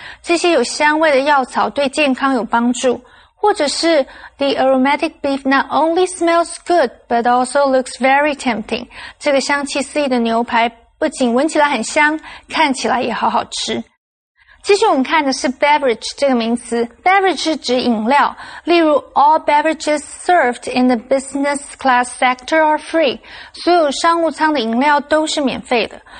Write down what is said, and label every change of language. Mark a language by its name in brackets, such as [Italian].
[Chinese] 这些有香味的药草对健康有帮助。或者是 [English] The aromatic beef not only smells good, but also looks very tempting. [Chinese] 这个香气四溢的牛排不仅闻起来很香，看起来也好好吃。继续我们看的是 [English] beverage [Chinese] 这个名词。 [English] Beverage [Chinese] 是指饮料，例如 [English] All beverages served in the business class sector are free. [Chinese] 所有商务舱的饮料都是免费的。